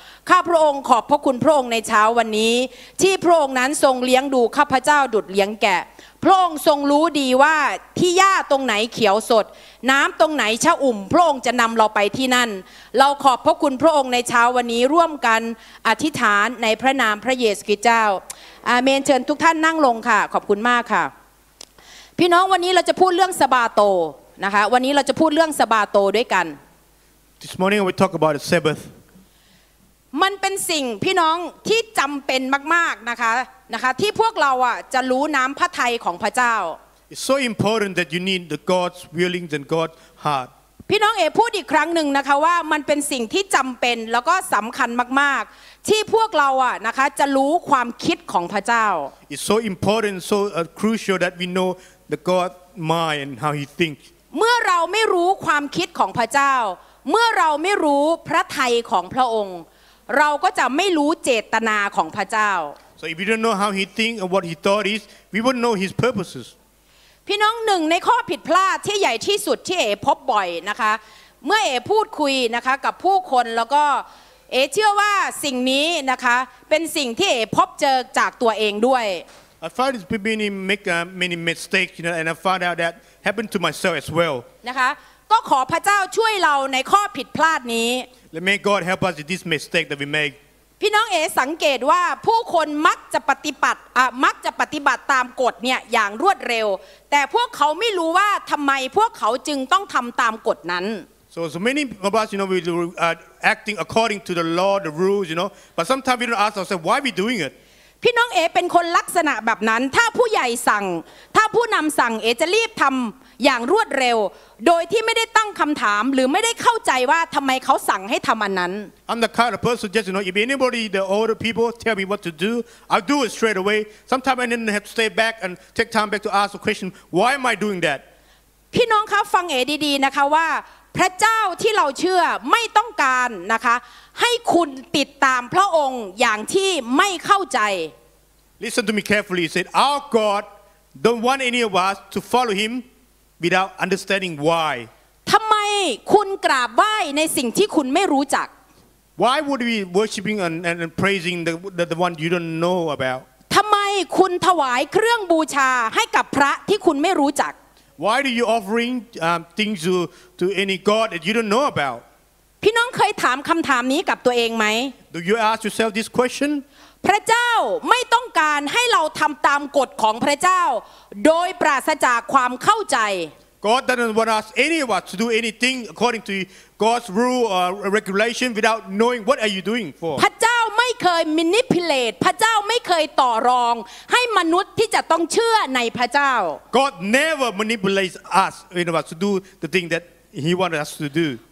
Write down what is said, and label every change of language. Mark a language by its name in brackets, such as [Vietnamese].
[Thai] ข้าพระองค์ขอบพระคุณพระองค์ในเช้าวันนี้ที่พระองค์นั้นทรงเลี้ยงดูข้าพเจ้าดุจเลี้ยงแกะพระองค์ทรงรู้ดีว่าที่หญ้าตรงไหนเขียวสดน้ำตรงไหนชอุ่มพระองค์จะนำเราไปที่นั่นเราขอบพระคุณพระองค์ในเช้าวันนี้ร่วมกันอธิษฐานในพระนามพระเยซูคริสต์เจ้าอาเมนเชิญทุกท่านนั่งลงค่ะขอบคุณมากค่ะพี่น้องวันนี้เราจะพูดเรื่องซาบาโตนะคะวันนี้เราจะพูดเรื่องซาบาโตด้วยกัน [English] This morning we talk about the Sabbath [Thai] มันเป็นสิ่งพี่น้องที่จำเป็นมากๆนะคะนะคะที่พวกเราอ่ะจะรู้น้ำพระทัยของพระเจ้า [English] It's so important that you need the God's willing and God's heart [Thai] พี่น้องเอพูดอีกครั้งหนึ่งนะคะว่ามันเป็นสิ่งที่จำเป็นแล้วก็สำคัญมากๆ ที่พวกเราอ่ะนะคะจะรู้ความคิดของพระเจ้า [English] It's so important so crucial that we know the God mind and how he thinks [Thai] เมื่อเราไม่รู้ความคิดของพระเจ้าเมื่อเราไม่รู้พระทัยของพระองค์เราก็จะไม่รู้เจตนาของพระเจ้า [English] So if we don't know how he thinks and what he thought is we won't know his purposes [Thai] พี่น้องหนึ่งในข้อผิดพลาดที่ใหญ่ที่สุดที่เอ๋พบบ่อยนะคะเมื่อเอ๋พูดคุยนะคะกับผู้คนแล้วก็เอ๋เชื่อว่าสิ่งนี้นะคะเป็นสิ่งที่เอ๋พบเจอจากตัวเองด้วย [English] I find it's been make many mistakes you know and I found out that happened to myself as well [Thai] นะคะก็ขอพระเจ้าช่วยเราในข้อผิดพลาดนี้ [English] Let may God help us with this mistake that we make [Thai] พี่น้องเอ๋สังเกตว่าผู้คนมักจะปฏิบัติมักจะปฏิบัติตามกฎเนี่ยอย่างรวดเร็วแต่พวกเขาไม่รู้ว่าทำไมพวกเขาจึงต้องทำตามกฎนั้น [English] So many of us, you know, we are acting according to the law, the rules, you know. But sometimes we don't ask ourselves why we're doing it. [Thai] พี่น้องเอ๋เป็นคนลักษณะแบบนั้นถ้าผู้ใหญ่สั่งถ้าผู้นำสั่งเอ๋จะรีบทำอย่างรวดเร็วโดยที่ไม่ได้ตั้งคำถามหรือไม่ได้เข้าใจว่าทำไมเขาสั่งให้ทำอันนั้น [English] I'm the kind of person just, you know, if anybody, the older people, tell me what to do, I'll do it straight away. Sometimes I didn't have to stay back and take time back to ask a question. Why am I doing that? [Thai] พี่น้องคะฟังเอ๋ดีๆนะคะว่าพระเจ้าที่เราเชื่อไม่ต้องการนะคะให้คุณติดตามพระองค์อย่างที่ไม่เข้าใจ [English] Listen to me carefully he said our God don't want any of us to follow him without understanding why [Thai] ทำไมคุณกราบไหว้ในสิ่งที่คุณไม่รู้จัก [English] Why would we worshiping and praising the one you don't know about [Thai] ทำไมคุณถวายเครื่องบูชาให้กับพระที่คุณไม่รู้จัก [English] Why do you offering things to any god that you don't know about? [Thai] พี่น้องเคยถามคำถามนี้กับตัวเองไหม [English] Do you ask yourself this question? [Thai] พระเจ้าไม่ต้องการให้เราทำตามกฎของพระเจ้าโดยปราศจากความเข้าใจ [English] God doesn't want us any of us to do anything according to God's rule or regulation without knowing what are you doing for? [Thai] พระเจ้าไม่เคย manipulate พระเจ้าไม่เคยต่อรองให้มนุษย์ที่จะต้องเชื่อในพระเจ้า [English] God never manipulates us in order to do the thing that he wanted us to do